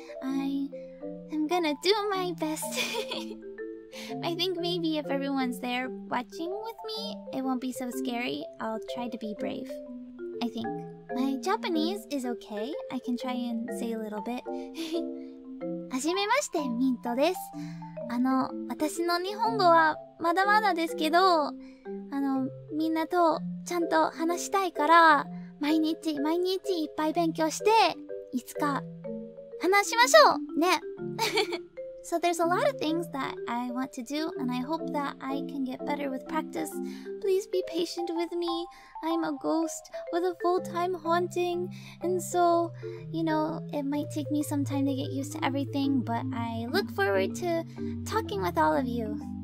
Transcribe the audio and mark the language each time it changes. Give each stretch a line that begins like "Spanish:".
English: I am gonna do my best. I think maybe if everyone's there watching with me, it won't be so scary. I'll try to be brave. I think. My Japanese is okay. I can try and say a little bit.
Japanese: はじめまして、ミントです。私の日本語はまだまだですけど、みんなとちゃんと話したいから、毎日毎日いっぱい勉強して、いつか話しましょうね。
English: So there's a lot of things that I want to do, and I hope that I can get better with practice. Please be patient with me. I'm a ghost with a full-time haunting. And so, you know, it might take me some time to get used to everything, but I look forward to talking with all of you.